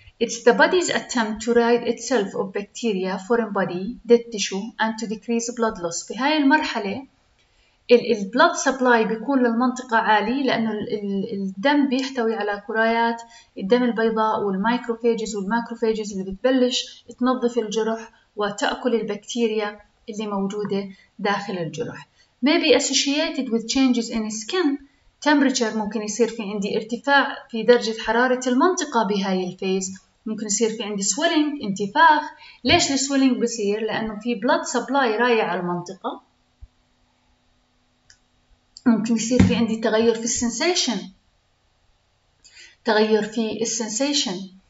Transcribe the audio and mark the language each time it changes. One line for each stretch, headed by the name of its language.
English: It's the body's attempt to rid itself of bacteria, foreign body, dead tissue and to decrease blood loss.
Arabic: في هاي المرحلة ال blood supply بيكون للمنطقة عالي لأنه الدم بيحتوي على كريات الدم البيضاء والمايكروفاجز والماكروفاجز اللي بتبلش تنظف الجرح وتأكل البكتيريا اللي موجودة داخل الجرح.
English: Maybe associated with changes in skin temperature.
Arabic: ممكن يصير في عندي ارتفاع في درجة حرارة المنطقة بهاي الفيز، ممكن يصير في عندي swelling، انتفاخ. ليش السويلينج بصير؟ لأنه في blood supply رايع على المنطقة. ممكن يصير في عندي تغير في السنسيشن، تغير في السنسيشن.